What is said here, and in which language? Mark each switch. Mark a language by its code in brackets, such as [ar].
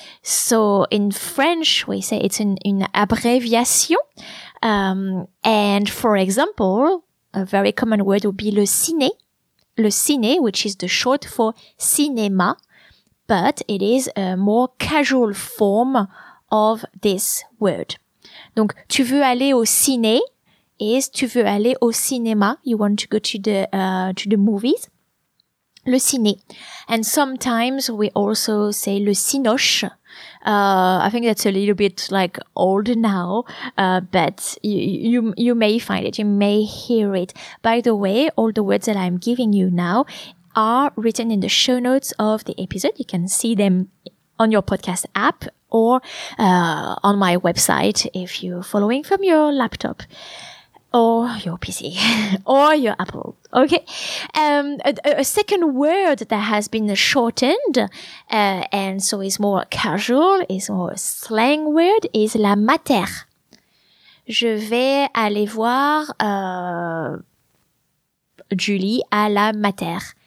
[en] So in French, we say it's an abbreviation. And for example, a very common word would be le ciné. Le ciné, which is the short for cinéma, but it is a more casual form of this word. [fr] Donc, tu veux aller au ciné is tu veux aller au cinéma. [en] You want to go to the movies. Le ciné. And sometimes we also say le cinoche. I think that's a little bit like old now, but you may find it, you may hear it. By the way, all the words that I'm giving you now are written in the show notes of the episode. You can see them on your podcast app or on my website if you're following from your laptop or your PC or your Apple. Okay. A second word that has been shortened, and so is more casual, is more slang word, is la mater. [fr] Je vais aller voir, Julie à la mater.